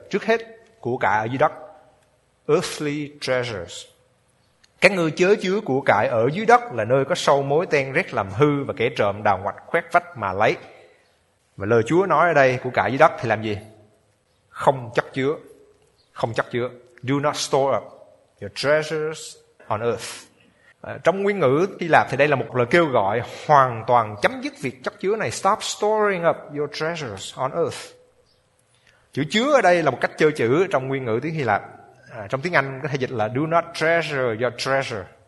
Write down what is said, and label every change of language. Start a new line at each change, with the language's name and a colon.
Vietnamese: Trước hết, của cải ở dưới đất.
English: Earthly treasures.
Vietnamese: Các ngươi chớ chứa của cải ở dưới đất, là nơi có sâu mối ten rét làm hư và kẻ trộm đào ngoạch khoét vách mà lấy. Và lời Chúa nói ở đây, của cải dưới đất thì làm gì? Không chất chứa. Không chất chứa.
English: Do not store up your treasures on earth.
Vietnamese: Trong nguyên ngữ Hy Lạp thì đây là một lời kêu gọi hoàn toàn chấm dứt việc chất chứa này.
English: Stop storing up your treasures on earth.
Vietnamese: Chữ chứa ở đây là một cách chơi chữ trong nguyên ngữ tiếng Hy Lạp. Trong tiếng Anh có thể dịch là
English: do not treasure your treasure.